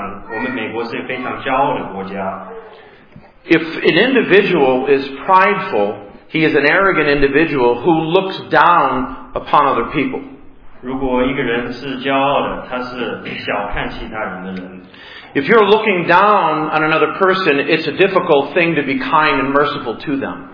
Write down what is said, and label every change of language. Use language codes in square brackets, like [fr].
[zh] 作为一个美国人，我可以证明我们美国人是一个非常，我们美国是一个非常骄傲的国家。 [en] If an individual is prideful, he is an arrogant individual who looks down upon other people. [zh] 如果一个人是骄傲的，他是小看其他人的人。 [en] If you're looking down on another person, it's a difficult thing to be kind and merciful to them.